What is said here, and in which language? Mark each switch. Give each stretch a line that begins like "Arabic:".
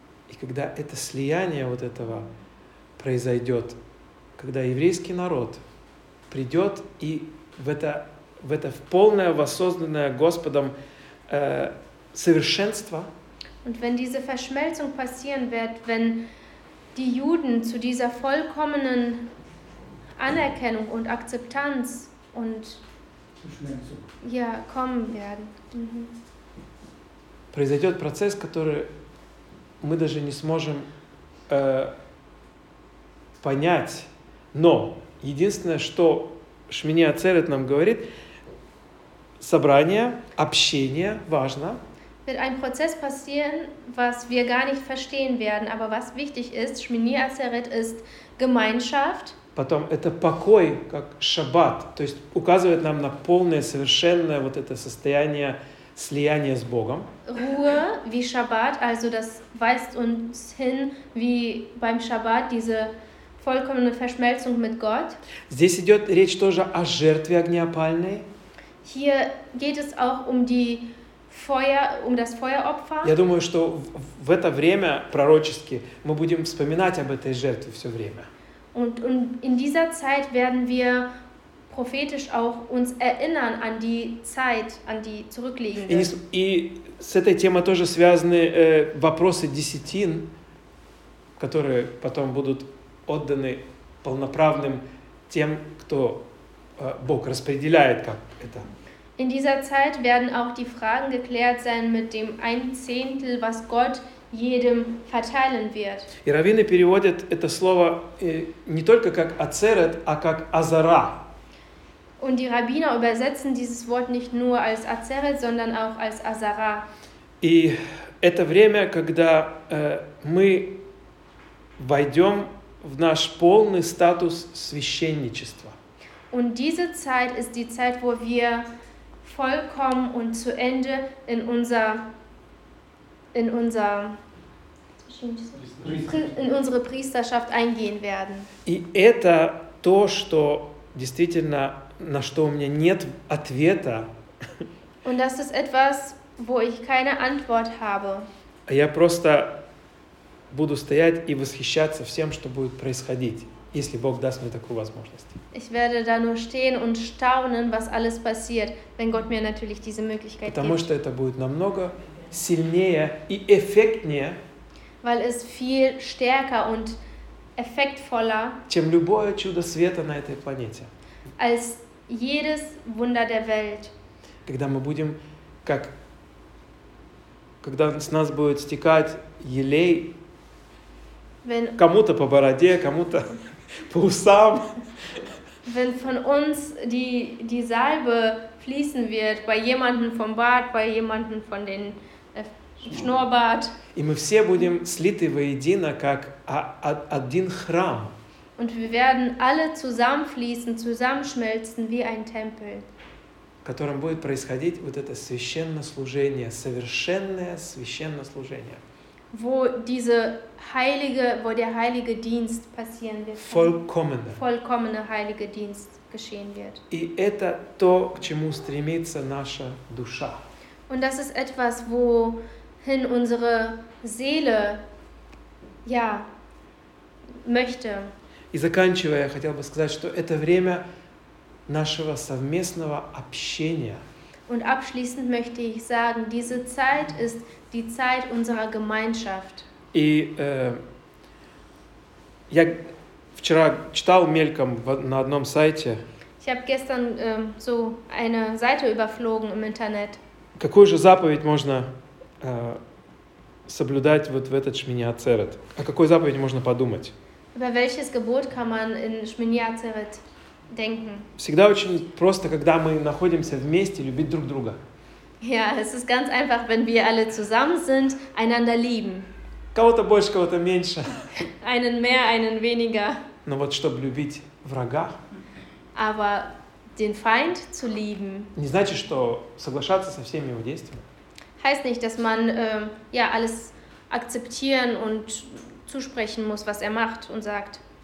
Russian: И когда это слияние вот этого произойдет, когда еврейский народ придет и в это полное воссозданное Господом совершенство.
German: Und wenn diese Verschmelzung passieren wird, wenn die Juden zu dieser vollkommenen Anerkennung und Akzeptanz und ja, kommen werden. Mhm.
Russian: Произойдет процесс, который мы даже не сможем понять. Но единственное, что Шмини Ацерет нам говорит, собрание, общение важно.
German: Wird ein Prozess passieren, was wir gar nicht verstehen werden, aber was wichtig ist, Шмини Ацерет, ist Gemeinschaft.
Russian: Потом это покой, как Шаббат, то есть указывает нам на полное, совершенное вот это состояние слияния с Богом.
German: Ruhe, wie Shabbat, also das weist uns hin, wie beim Shabbat, diese vollkommene Verschmelzung mit Gott.
Russian: Здесь идет речь тоже о жертве огнеопальной.
German: Hier geht es auch um die Feuer, um das Feueropfer.
Russian: Я думаю, что в это время пророчески мы будем вспоминать об этой жертве все время.
German: Und in dieser Zeit werden wir prophetisch auch uns erinnern an die Zeit, an die zurückliegende.
Russian: И с этой темой тоже связаны вопросы десятин, которые потом будут отданы полноправным тем, кто Бог распределяет как это.
German: In dieser Zeit werden auch die Fragen geklärt sein mit dem ein Zehntel, was Gott jedem verteilen wird.
Russian: И раввины переводят это слово не только как Ацерет, а как Азара.
German: Und die Rabbiner übersetzen dieses Wort nicht nur als Ацерет, sondern auch als Азара.
Russian: И это время, когда мы войдем в наш полный статус священничества.
German: Und diese Zeit ist die Zeit, wo wir vollkommen und zu Ende in unsere Priesterschaft eingehen werden.
Russian: И это то, что действительно, на что у меня нет ответа.
German: Und das ist etwas, wo ich keine Antwort habe.
Russian: Я просто буду стоять и восхищаться всем, что будет происходить, если Бог даст мне такую возможность.
German: Ich werde da nur stehen und staunen, was alles passiert, wenn Gott mir natürlich diese Möglichkeit
Russian: Потому
German: gibt.
Russian: Потому что это будет намного сильнее и эффектнее,
German: weil es viel stärker und effektvoller,
Russian: чем любое чудо света на этой планете,
German: als jedes Wunder der Welt.
Russian: Когда мы будем, как, когда с нас будет стекать елей,
German: wenn,
Russian: кому-то по бороде, кому-то по усам,
German: wenn von uns die Salbe fließen wird, bei jemandem vom Bart, bei jemandem von den Schnurrbart.
Russian: И мы все будем слиты воедино, как один храм.
German: Und wir werden alle zusammenfließen, zusammenschmelzen wie ein Tempel.
Russian: В котором будет происходить вот это священнослужение, совершенное священнослужение.
German: Wo diese heilige, wo der heilige Dienst passieren wird. Vollkommener heilige Dienst geschehen wird.
Russian: И это то, к чему стремится наша душа.
German: Und das ist etwas, wo hin unsere Seele ja möchte.
Russian: И заканчивая, я хотел бы сказать, что это время нашего совместного общения.
German: Und abschließend möchte ich sagen, diese Zeit ist die Zeit unserer Gemeinschaft.
Russian: И я вчера читал мельком на одном сайте.
German: Ich habe gestern so eine Seite überflogen im Internet.
Russian: Какую же заповедь можно соблюдать вот в этот Шмини Ацерет? О какой заповеди можно подумать?
German: Über welches Gebot kann man in Шмини Ацерет denken?
Russian: Всегда очень просто, когда мы находимся вместе, любить друг друга.
German: Ja, es ist ganz einfach, wenn wir alle zusammen sind, einander lieben.
Russian: Кого-то больше, кого-то меньше.
German: Einen mehr, einen weniger.
Russian: Но вот чтобы любить врага.
German: Aber den Feind zu lieben.
Russian: Не значит, что соглашаться со всеми его действиями.
German: Heißt nicht, dass man ja alles akzeptieren und zusprechen muss, was er macht und sagt.